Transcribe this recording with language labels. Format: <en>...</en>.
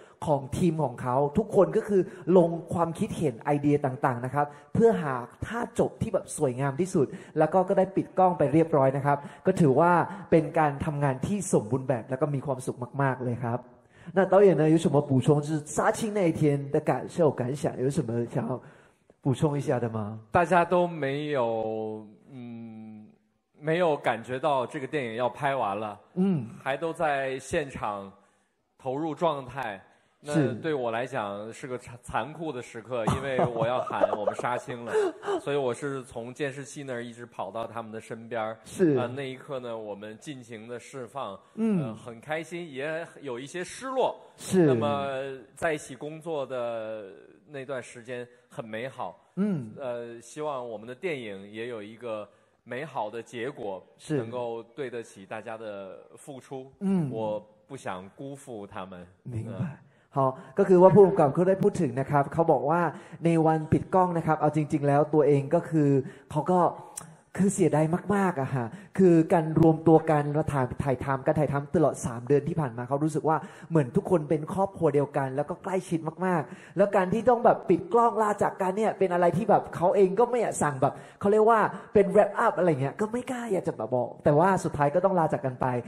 <th>ของทีมของเขาทุกคนก็คือลงความคิดเห็นไอเดียต่างๆนะครับเพื่อหาท่าจบที่แบบสวยงามที่สุดแล้วก็ได้ปิดกล้องไปเรียบร้อยนะครับก็ถือว่าเป็นการทำงานที่สมบูรณ์แบบแล้วก็มีความสุขมากๆเลยครับ</th> <zh>那导演呢有什么补充就是杀青那一天的感受感想有什么想要补充一下的吗大家都没有没有感觉到这个电影要拍完了还都在现场投入状态那对我来讲是个残酷的时刻因为我要喊我们杀青了所以我是从监视器那儿一直跑到他们的身边是、那一刻呢我们尽情的释放很开心也有一些失落是那么在一起工作的那段时间很美好希望我们的电影也有一个美好的结果是能够对得起大家的付出我不想辜负他们明白好</zh> <th>ก็คือว่าผู้กำกับเขาได้พูดถึงนะครับเขาบอกว่าในวันปิดกล้องนะครับเอาจริงๆแล้วตัวเองก็คือเขาก็คือเสียดายมากๆอะฮะคือการรวมตัวกันมาถ่ายทำตลอด3เดือนที่ผ่านมาเขารู้สึกว่าเหมือนทุกคนเป็นครอบครัวเดียวกันแล้วก็ใกล้ชิดมากๆแล้วการที่ต้องแบบปิดกล้องลาจากกันเนี่ยเป็นอะไรที่แบบเขาเองก็ไม่อยากสั่งแบบเขาเรียกว่าเป็นแรปอัพอะไรเงี้ยก็ไม่กล้าอยากจะแบบบอกแต่ว่าสุดท้ายก็ต้องลาจากกันไป</th>